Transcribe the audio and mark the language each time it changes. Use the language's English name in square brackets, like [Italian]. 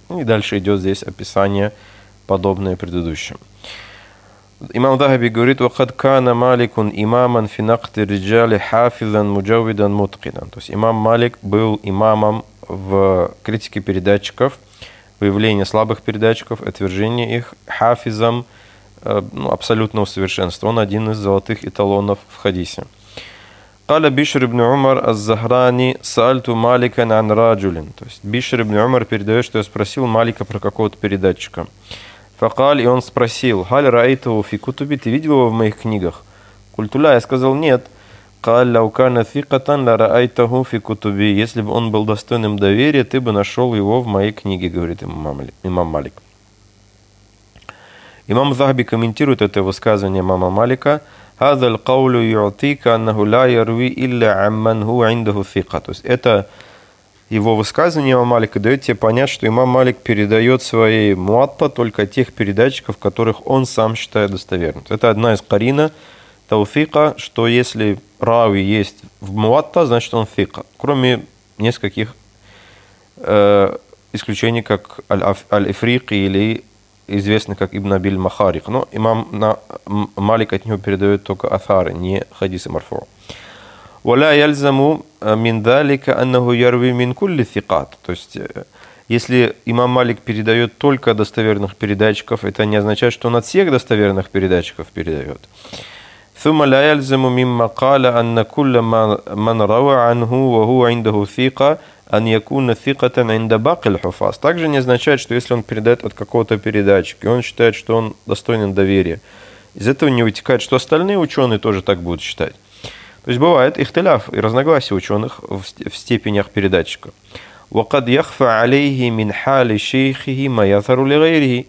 [Russian] И дальше идет здесь описание подобное предыдущим. Имам Захаби говорит, [Arabic] وقد كان مالك إماما في نقد الرجال حافظا مجودا متقنا. [Russian] То есть имам Малик был имамом в критике передатчиков, выявление слабых передатчиков, отвержение их хафизом абсолютного совершенства. Он один из золотых эталонов в хадисе. [Arabic] Каля Бишр ибн Умар аз-Захрани сальту Маликан ан раджулин. [Russian] То есть Бишр ибн Умар передает, что я спросил Малика про какого-то передатчика. [Arabic] Факаль, [Russian] и он спросил, [Arabic] халь раитову фи кутуби, [Russian] ты видел его в моих книгах? [Arabic] Культуля, [Russian] я сказал, нет. [Arabic] قال لو كان ثقة لرأيته في كتبي. [Russian] Если бы он был достойным доверия, ты бы нашел его в моей книге, говорит имам Малик. Имам Захаби комментирует это высказывание имама Малика. [Arabic] هذا القول يعطيك أنه لا يروي إلا عمن هو عنده ثقة. [Russian] То есть это его высказывание имама Малика дает тебе понять, что имам Малик передает свои муатта только тех передатчиков, которых он сам считает достоверным. Это одна из карина тауфика, что если рави есть в муатта, значит он фика. Кроме нескольких исключений, как Аль-Ифрик или известный как Ибн Абиль Махарик. Но имам Малик от него передает только Атхары, не хадисы Марфу. [Arabic] «Валя яльзаму мин далика аннаху ярви мин кулли фикат». [Russian] То есть, если имам Малик передает только достоверных передатчиков, это не означает, что он от всех достоверных передатчиков передает. [Arabic] ثم لا يلزم مما قال أن كل من روى عنه وهو عنده ثقة أن يكون ثقة عند باقي الحفاظ. [Russian] Также не означает, что если он передает от какого-то передатчика, и он считает, что он достоин доверия, из этого не вытекает, что остальные ученые тоже так будут считать. То есть бывает ихтиляф и разногласия ученых в степенях передатчика. [Arabic] وَقَدْ يَخْفَ عَلَيْهِ مِنْ حَالِ شَيْخِهِ مَا يَثَرُ لِغَيْرِهِ.